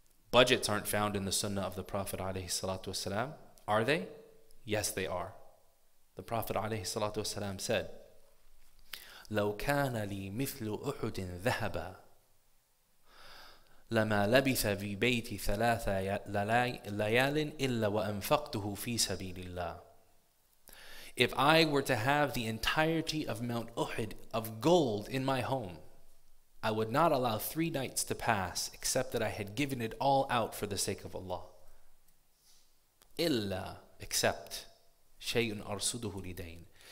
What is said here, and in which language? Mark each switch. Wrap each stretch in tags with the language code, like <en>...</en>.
<en>Budgets aren't found in the sunnah of the Prophet alayhi salatu wasalam. Are they? Yes, they are. The Prophet alayhi salatu wasalam said,</en> <ar>لو كان لي مثل أحد ذهبا لما لبث في بيتي ثلاثة ليال إلا وأنفقته في سبيل الله.</ar> <en>If I were to have the entirety of Mount Uhud of gold in my home, I would not allow 3 nights to pass except that I had given it all out for the sake of Allah.</en> <ar>Illa, except. Shay'un arsuduhu lidain.</ar>